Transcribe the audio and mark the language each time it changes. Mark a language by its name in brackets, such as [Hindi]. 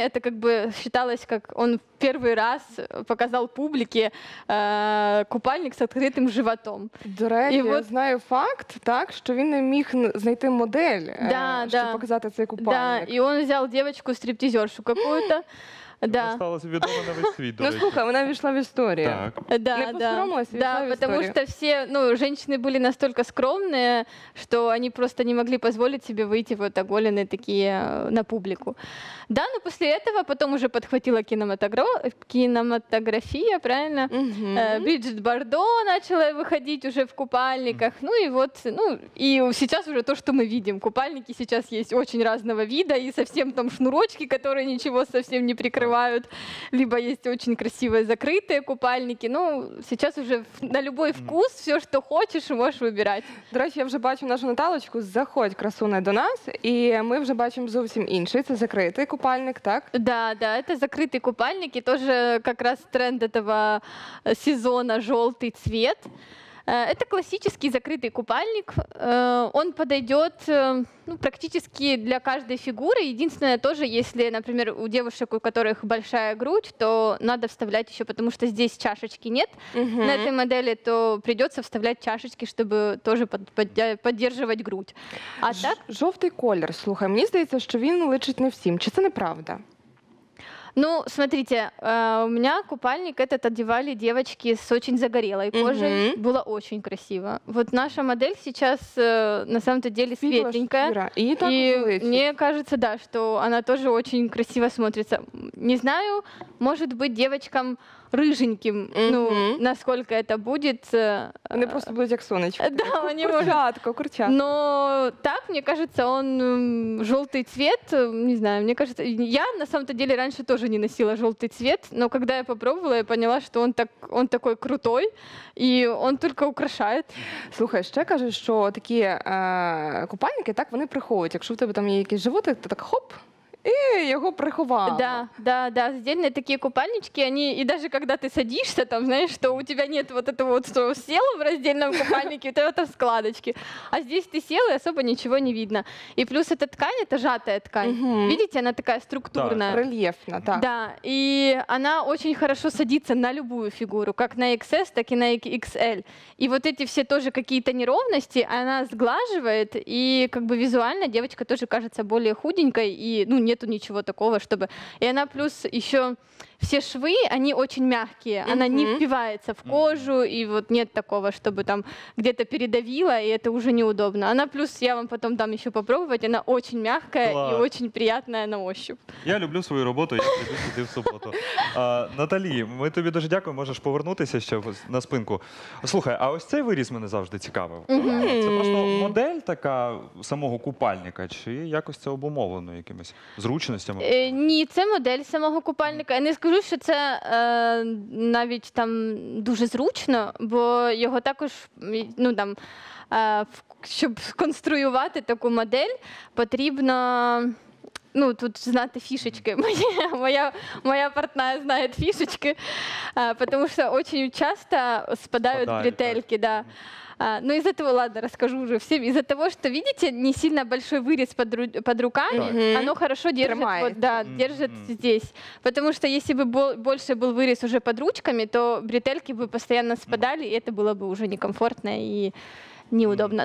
[Russian] Это как бы считалось, как он первый раз показал публике купальник с открытым животом. [Ukrainian] До речі, я вот... [Russian] знаю факт, так, что он не мог найти модель, чтобы показать этот купальник. Да, и он взял девочку-стриптизершу какую-то. Да. [Ukrainian] Она стала відома на весь світ. Ну, слухай, вона війшла в історію. Так. Да, не посоромилась, да, війшла, да, в історію. Так, тому що всі, ну, жінки були настільки скромні, що вони просто не могли дозволити собі вийти вот оголені такі на публіку. Да, ну, після цього потім вже підхватила кінематографія, правильно? Угу. Бріджит Бардо почала виходити вже в купальниках. Ну, і от, ну, і зараз вже те, що ми бачимо. Купальники зараз є дуже різного виду і зовсім там шнурочки, які нічого зовсім не прикривают, [Russian] либо есть очень красивые закрытые купальники. Ну, сейчас уже на любой вкус все, что хочешь, можешь выбирать. [Ukrainian] До речі, я вже бачу нашу Наталочку, заходь, красуне, до нас, и мы вже бачим зовсім інший, це закритий купальник, так? [Russian] Да, да, это закритий купальник, и тоже как раз тренд этого сезона жёлтый цвет. Это классический закрытый купальник. Он подойдет, ну, практически для каждой фигуры. Единственное, тоже, если, например, у девушек, у которых большая грудь, то надо вставлять еще, потому что здесь чашечки нет на этой модели, то придется вставлять чашечки, чтобы тоже поддерживать грудь. А так? [Ukrainian] Жовтий колір, слухай, мені здається, що він личить не всім. Чи це неправда? [Russian] Ну, смотрите, у меня купальник этот одевали девочки с очень загорелой кожей. Mm-hmm. Было очень красиво. Вот наша модель сейчас на самом-то деле светленькая. И мне кажется, да, что она тоже очень красиво смотрится. Не знаю, может быть, девочкам рыженьким, ну, насколько это будет. Они просто будут как солнечко. Да, они может. Курчатка. Но так, мне кажется, он желтый цвет, не знаю, мне кажется, я на самом-то деле раньше тоже не носила желтый цвет, но когда я попробовала, я поняла, что он так, он такой крутой, и он только украшает. [Ukrainian] Слухай, ще кажуть, що такі купальники, так вони приховують. Якщо в тебе там є якийсь животик, то так хоп, и его приховала. [Russian] Да, да, да, отдельные такие купальнички, они, и даже когда ты садишься, там, знаешь, что у тебя нет вот этого вот, что сел в раздельном купальнике, вот это в складочке. А здесь ты сел, и особо ничего не видно. И плюс эта ткань, это сжатая ткань. Угу. Видите, она такая структурная. Да, рельефно, да. Да, и она очень хорошо садится на любую фигуру, как на XS, так и на XL. И вот эти все тоже какие-то неровности, она сглаживает, и как бы визуально девочка тоже кажется более худенькой, и, ну, нету ничего такого, чтобы... И она плюс еще... Все швы, они очень мягкие, она не впивается в кожу, и вот нет такого, чтобы там где-то передавило, и это уже неудобно. Она плюс, я вам потом дам еще попробовать, она очень мягкая и очень приятная на ощупь. [Ukrainian] Я люблю свою роботу, я люблю сидеть в субботу. Наталі, ми тобі дуже дякуємо, можеш повернутися ще на спинку. Слухай, а ось цей виріз мене завжди цікавив. Це просто модель така самого купальника, чи якось це обумовлено якимись зручностями? Ні, це модель самого купальника. Я скажу, що це навіть там дуже зручно, бо його також, ну, там, щоб сконструювати таку модель, потрібно, ну, тут знати фішечки. Моя партнера знає фішечки, тому що дуже часто спадають бретельки. [Russian] Да. Ну, из-за того, ладно, расскажу уже всем. Из-за того, что, видите, не сильно большой вырез под руками, оно хорошо держит, вот, да, держит здесь. Потому что если бы больше был вырез уже под ручками, то бретельки бы постоянно спадали, и это было бы уже некомфортно и неудобно.